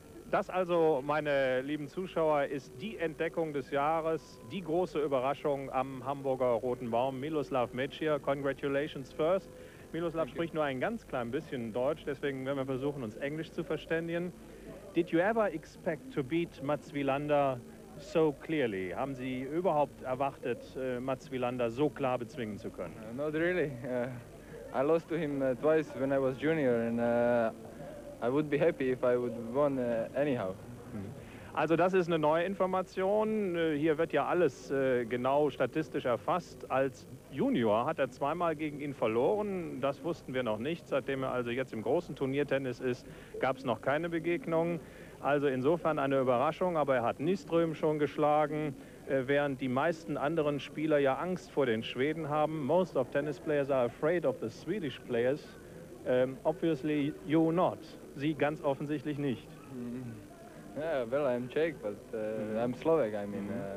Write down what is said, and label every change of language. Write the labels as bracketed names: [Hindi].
[German] Das also, meine lieben Zuschauer, ist die Entdeckung des Jahres, die große Überraschung am Hamburger Roten Baum, Miloslav Mečiar. [English] Congratulations first. [German] Miloslav Thank spricht you. Nur ein ganz klein bisschen Deutsch, deswegen werden wir versuchen, uns Englisch zu verständigen. [English] Did you ever expect to beat Mats Wilander so clearly? [German] Haben Sie überhaupt erwartet, Mats Wilander so klar bezwingen zu können? [English] Not really. I lost to him twice when I was junior and I would be happy if I would won anyhow. [German] Also das ist eine neue Information. Hier wird ja alles genau statistisch erfasst. Als Junior hat er zweimal gegen ihn verloren. Das wussten wir noch nicht. Seitdem er also jetzt im großen Turniertennis ist, gab es noch keine Begegnung. Also insofern eine Überraschung, aber er hat Nyström schon geschlagen. Während die meisten anderen Spieler ja Angst vor den Schweden haben. [English] Most of tennis players are afraid of the Swedish players. Obviously you not. [German] Sie ganz offensichtlich nicht. [English] Yeah, well, I'm Czech, but I'm Slovak, I mean.